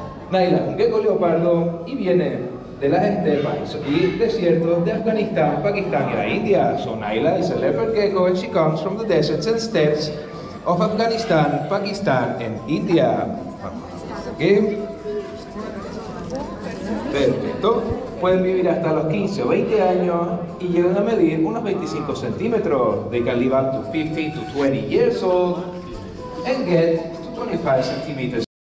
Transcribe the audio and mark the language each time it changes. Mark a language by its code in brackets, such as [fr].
[es] Naila, un gecko leopardo y viene de las estepas y desiertos de Afganistán, Pakistán y la India. [en] So Naila is a leopard gecko and she comes from the deserts and steppes of Afghanistan, Pakistán and India. Okay. [es] Perfecto. Pueden vivir hasta los 15 o 20 años y llegan a medir unos 25 centímetros. [en] They can live up to 50 to 20 years old and get to 25 centimeters.